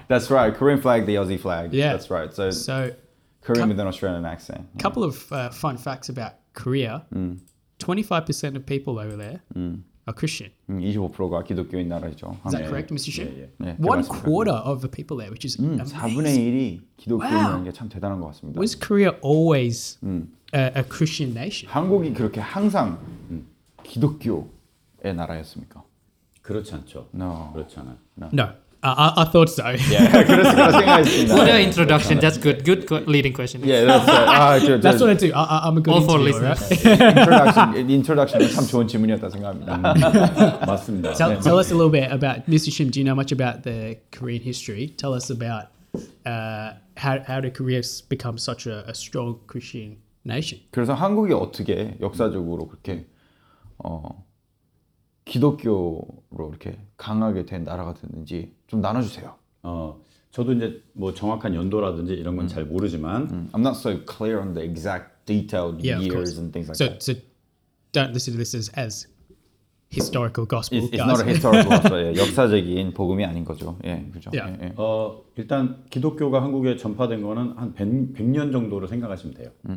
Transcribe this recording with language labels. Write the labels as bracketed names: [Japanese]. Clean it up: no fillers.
[English] That's right. Korean flag, the Aussie flag. Yeah. That's right. So Korean with an Australian accent. A couple of fun facts about Korea. 25% of people over there are Christian. [Korean] 25%가 기독교인 나라죠. [English] Is that correct, Mr. Shim? Yeah. One quarter of the people there, which is amazing. [Korean] 4분의 1이 기독교인이라는 게 참 대단한 것 같습니다. [English] Was Korea always a Christian nation? [Korean] 한국이 그렇게 항상 기독교의 나라였습니까? 그렇지 않죠. [English] No. [Korean] 그렇지 않아. [English] No. I thought so. Yeah, what an introduction. That's good. Good leading question. Yeah, that's good. That's what I do. I'm a good all for listeners. Introduction. [Korean] 참 좋은 질문이었다 생각합니다. 맞습니다. [English] Tell us a little bit about Mr. Shim. Do you know much about the Korean history? Tell us about how did Korea become such a strong Christian nation? [Korean] 그래서 한국이 어떻게 역사적으로 그렇게 기독교로 이렇게 강하게 된 나라가 됐는지 좀 나눠주세요. 저도 이제 뭐 정확한 연도라든지 이런 건 잘 모르지만 [English] I'm not so clear on the exact detailed years and things like that. So don't listen to this as historical gospel. It's not a historical gospel. [Korean] 역사적인 복음이 아닌 거죠. 예, 그렇죠. [English] Yeah. [Korean] 예, 예. 일단 기독교가 한국에 전파된 거는 한 100년 정도로 생각하시면 돼요.